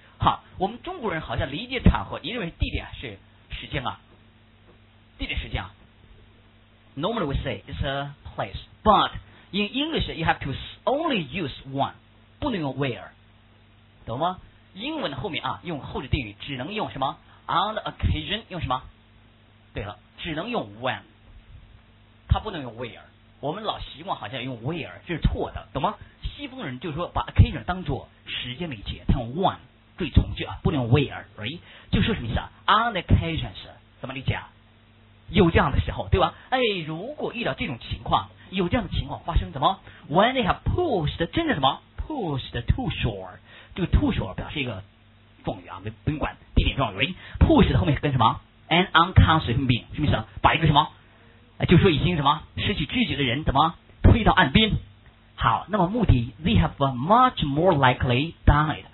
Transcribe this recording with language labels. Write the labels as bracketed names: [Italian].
[Chinese] 好，我们中国人好像理解场合，你认为地点是时间啊？地点时间啊？ [English] Normally we say it's a place, but in English you have to only use one, [Chinese] 不能用 [English] where, [Chinese] 懂吗？英文的后面啊，用后置定语只能用什么 [English] on the occasion [Chinese] 用什么？对了，只能用 when, 它不能用 where。我们老习惯好像用 where, 这是错的，懂吗？西方人就是说把 occasion 当作时间理解，他用 when。注意从句啊，不能 where, [English] right? [Chinese] 就说什么意思啊？ [English] On occasions, [Chinese] 怎么理解啊？有这样的时候，对吧？哎，如果遇到这种情况，有这样的情况发生，怎么？ [English] When they have pushed, [Chinese] 真的什么？ [English] Pushed to shore, [Chinese] 这个 [English] to shore [Chinese] 表示一个状语啊，不用管地点状语， [English] right? Pushed [Chinese] 后面跟什么？ [English] An unconscious human being, [Chinese] 什么意思啊？把一个什么？就说已经什么？失去知觉的人怎么推到岸边？好，那么目的 [English] they have much more likely died.